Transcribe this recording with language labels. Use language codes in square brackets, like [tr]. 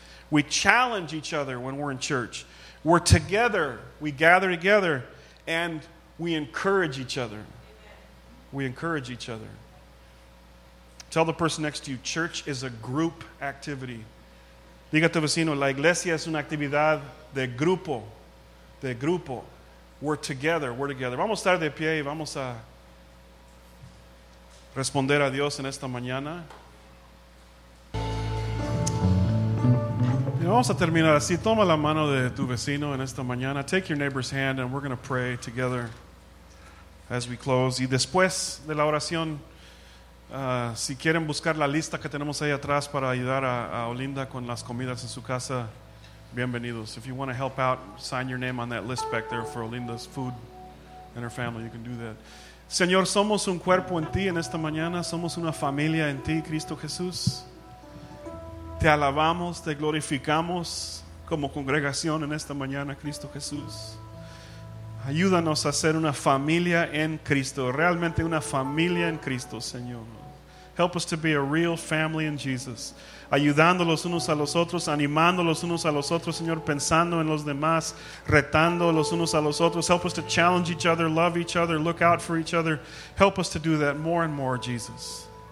[en] We challenge each other when we're in church. We're together. We gather together. And we encourage each other. We encourage each other. Tell the person next to you, church is a group activity. [es] Diga a tu vecino, la iglesia es una actividad de grupo. De grupo. [en] We're together, we're together. [es] Vamos a estar de pie y vamos a responder a Dios en esta mañana. Y vamos a terminar así. Toma la mano de tu vecino en esta mañana. [en] Take your neighbor's hand and we're going to pray together as we close. [es] Y después de la oración, si quieren buscar la lista que tenemos ahí atrás para ayudar a Olinda con las comidas en su casa, bienvenidos. [en] If you want to help out, sign your name on that list back there for Olinda's food and her family. You can do that. [es] Señor, somos un cuerpo en ti en esta mañana. Somos una familia en ti, Cristo Jesús. Te alabamos, te glorificamos como congregación en esta mañana, Cristo Jesús. Ayúdanos a ser una familia en Cristo. Realmente una familia en Cristo, Señor. [en] Help us to be a real family in Jesus. [es] Ayudándolos unos a los otros, animándolos unos a los otros, Señor, pensando en los demás, retando los unos a los otros. [en] Help us to challenge each other, love each other, look out for each other. Help us to do that more and more, Jesus.